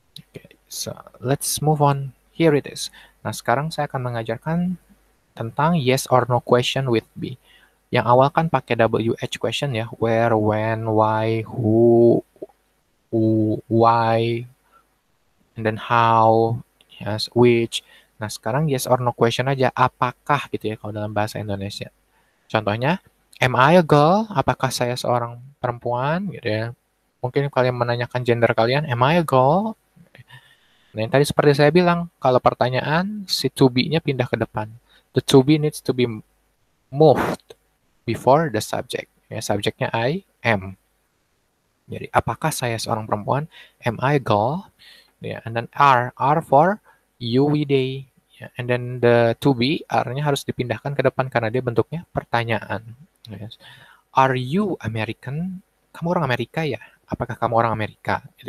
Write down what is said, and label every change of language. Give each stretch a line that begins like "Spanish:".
English: Okay, so let's move on. Here it is.
Indonesian: Nah, sekarang saya akan mengajarkan tentang yes or no question with B. Yang awal kan pakai WH question ya.
English: Where, when, why, who, why, and then how, yes, which.
Indonesian: Nah, sekarang yes or no question aja. Apakah gitu ya kalau dalam bahasa Indonesia. Contohnya,
English: am I a girl?
Indonesian: Apakah saya seorang perempuan? Gitu ya. Mungkin kalian menanyakan gender kalian.
English: Am I a girl?
Indonesian: Nah, yang tadi seperti saya bilang, kalau pertanyaan, si to be-nya pindah ke depan.
English: The to be needs to be moved before the subject.
Indonesian: Ya, subjeknya I am. Jadi, apakah saya seorang perempuan?
English: Am I a girl?
Indonesian: Ya, and then R.
English: R for you, we, they.
Indonesian: Ya, and then the to be, R-nya harus dipindahkan ke depan karena dia bentuknya pertanyaan. Yes.
English: Are you American?
Indonesian: Kamu orang Amerika ya? Apakah kamu orang Amerika?